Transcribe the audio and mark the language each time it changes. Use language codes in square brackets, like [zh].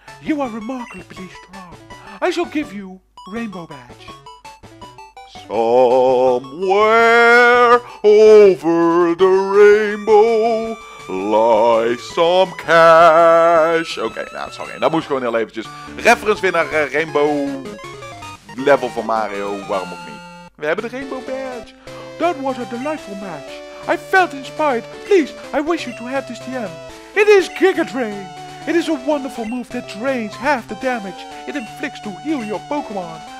[en] You are remarkably strong. I shall give you Rainbow Badge. Somewhere over the rainbow lies some cash. [nl] Oké, nou sorry, dat moest gewoon heel eventjes. Reference weer naar Rainbow level van Mario, waarom ook niet. We hebben de Rainbow Badge. [en] That was a delightful match. I felt inspired. Please, I wish you to have this TM. It is Giga Drain. It is a wonderful move that drains half the damage it inflicts to heal your Pokémon.